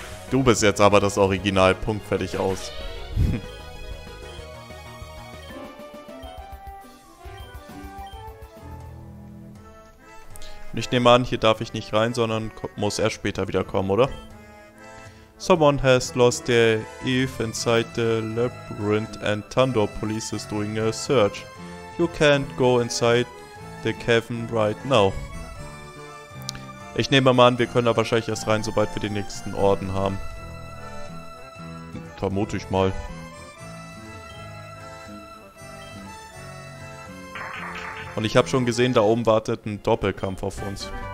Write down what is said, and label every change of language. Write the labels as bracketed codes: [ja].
[de] Du bist jetzt aber das Original. Punkt, fertig, aus. Und ich nehme an, hier darf ich nicht rein, sondern muss erst später wieder kommen, oder? [en] Someone has lost their Eve inside the labyrinth and Thunder Police is doing a search. You can't go inside the cavern right now. [de] Ich nehme mal an, wir können da wahrscheinlich erst rein, sobald wir den nächsten Orden haben. Vermute ich mal. Und ich habe schon gesehen, da oben wartet ein Doppelkampf auf uns.